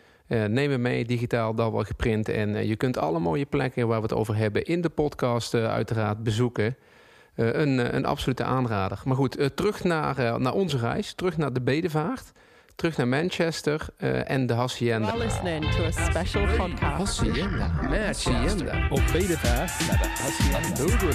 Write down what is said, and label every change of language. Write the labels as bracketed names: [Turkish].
[Dutch] Neem hem mee, digitaal, dan wel geprint. En je kunt alle mooie plekken waar we het over hebben in de podcast uiteraard bezoeken. Een absolute aanrader. Maar goed, terug naar onze reis. Terug naar de bedevaart. Terug naar Manchester en de Hacienda. [English] We're listening to a special podcast. [Dutch] Hacienda. Hacienda. Op bedevaart naar de Hacienda.